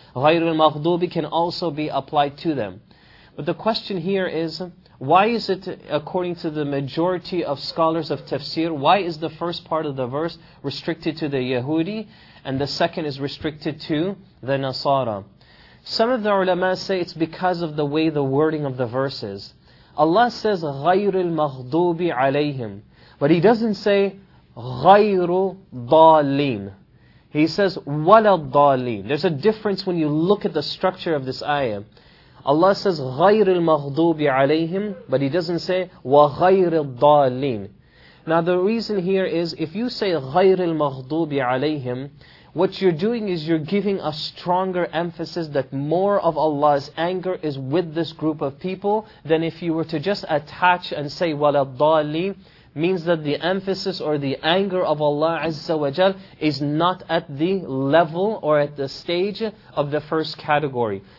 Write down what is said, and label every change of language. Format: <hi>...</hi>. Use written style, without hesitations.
<ar>غَيْرُ الْمَغْضُوبِ</ar> <en>can also be applied to them. But the question here is, why is it, according to the majority of scholars of tafsir, why is the first part of the verse restricted to the Yahudi and the second is restricted to the Nasara? Some of the ulama say it's because of the way the wording of the verse is. Allah says,</en> <ar>غَيْرُ الْمَغْضُوبِ عَلَيْهِمْ.</ar> <en>But He doesn't say,</en> <ar>غَيْرُ ضَالِّينَ.</ar> <en>He says,</en> <ar>وَلَا الضَّالِّينَ.</ar> <en>There's a difference when you look at the structure of this ayah. Allah says,</en> <ar>غَيْرُ الْمَغْضُوبِ عَلَيْهِمْ.</ar> <en>But He doesn't say,</en> <ar>وَغَيْرُ الضَّالِّينَ.</ar> <en>Now the reason here is, if you say,</en> <ar>غَيْرُ الْمَغْضُوبِ عَلَيْهِمْ,</ar> <en>what you're doing is you're giving a stronger emphasis that more of Allah's anger is with this group of people than if you were to just attach and say</en> <ar>وَلَا الضَّالِّينَ,</ar> <en>means that the emphasis or the anger of Allah Azza wa Jal is not at the level or at the stage of the first category.</en>